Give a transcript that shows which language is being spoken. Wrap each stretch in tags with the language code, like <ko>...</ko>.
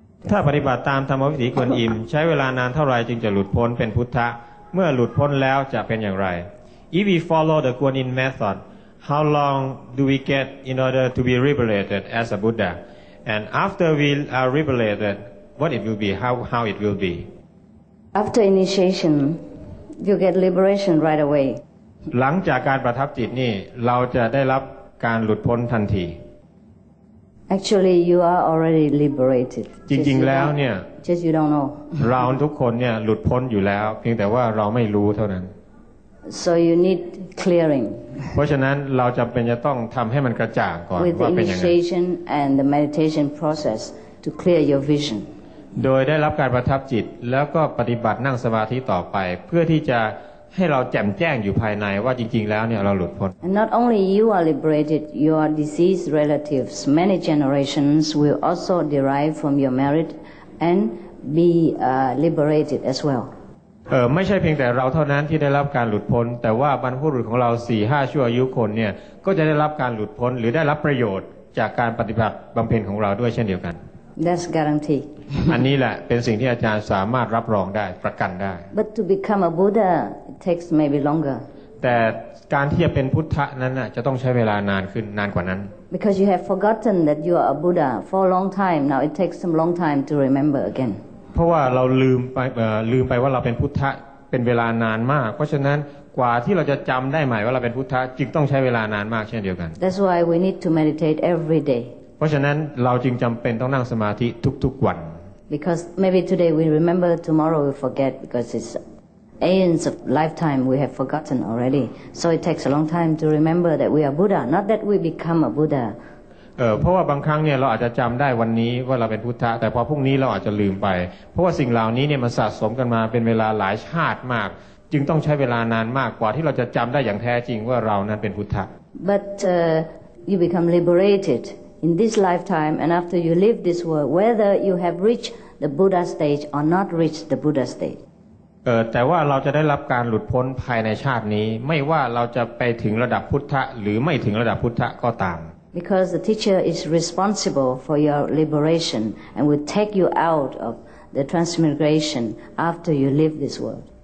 <th>ถ้าปฏิบัติตามธรรมวิถีควรอิ่มใช้เวลานานเท่าไรจึงจะหลุดพ้นเป็นพุทธะเมื่อหลุดพ้นแล้วจะเป็นอย่างไร</th> <en>If we follow the Kuan Yin method, how long do we get in order to be liberated as a Buddha? And after we are liberated, what it will be, how it will be? After initiation, you get liberation right away.</en> <th>หลังจากการประทับจิตนี่เราจะได้รับการหลุดพ้นทันที</th> <en>Actually, you are already liberated.</en> <th>จริงๆแล้วเนี่ย</th> <en>Just you don't know.</en> <th>เราทุกคนเนี่ยหลุดพ้นอยู่แล้วเพียงแต่ว่าเราไม่รู้เท่านั้น</th> <en>So you need clearing.</en> <th>เพราะฉะนั้นเราจำเป็นจะต้องทำให้มันกระจ่างก่อนว่าเป็นยังไง</th> <en>With the initiation and the meditation process to clear your vision.</en> <th>โดยได้รับการประทับจิตแล้วก็ปฏิบัตินั่งสมาธิต่อไปเพื่อที่จะให้เราแจ่มแจ้งอยู่ภายในว่าจริงๆแล้วเนี่ยเราหลุดพ้น</th> <en>And not only you are liberated, your deceased relatives, many generations will also derive from your merit and be liberated as well.</en> <th>ไม่ใช่เพียงแต่เราเท่านั้นที่ได้รับการหลุดพ้นแต่ว่าบรรพบุรุษของเรา 4-5 ชั่วอายุคนเนี่ยก็จะได้รับการหลุดพ้นหรือได้รับประโยชน์จากการปฏิบัติบำเพ็ญของเราด้วยเช่นเดียวกัน</th> <en>That's guarantee</en> <th>อันนี้แหละเป็นสิ่งที่อาจารย์สามารถรับรองได้ประกันได้</th> <en>But to become a Buddha it takes maybe longer</en> <th>แต่การที่จะเป็นพุทธะนั้นน่ะจะต้องใช้เวลานานขึ้นนานกว่านั้น</th> <en>Because you have forgotten that you are a Buddha for a long time now it takes some long time to remember again</en> <th>เพราะว่าเราลืมไปว่าเราเป็นพุทธะเป็นเวลานานมากเพราะฉะนั้นกว่าที่เราจะจำได้ใหม่ว่าเราเป็นพุทธะจึงต้องใช้เวลานานมากเช่นเดียวกัน</th> <en>That's why we need to meditate every day</en> <th>เพราะฉะนั้นเราจึงจำเป็นต้องนั่งสมาธิทุกๆวัน</th> <en>Because maybe today we remember tomorrow we forget because it's aeons of lifetime we have forgotten already so it takes a long time to remember that we are Buddha not that we become a Buddha</en> <th>เพราะว่าบางครั้งเนี่ยเราอาจจะจำได้วันนี้ว่าเราเป็นพุทธะแต่พอพรุ่งนี้เราอาจจะลืมไปเพราะว่าสิ่งเหล่านี้เนี่ยมันสะสมกันมาเป็นเวลาหลายชาติมากจึงต้องใช้เวลานานมากกว่าที่เราจะจำได้อย่างแท้จริงว่าเรานั้นเป็นพุทธะ</th> <en>But you become liberated in this lifetime and after you leave this world whether you have reached the Buddha stage or not reached the Buddha stage</en> <th>แต่ว่าเราจะได้รับการหลุดพ้นภายในชาตินี้ไม่ว่าเราจะไปถึงระดับพุทธะหรือไม่ถึงระดับพุทธะก็ตาม</th> <en>Because the teacher is responsible for your liberation and will take you out of the transmigration after you leave this world.</en>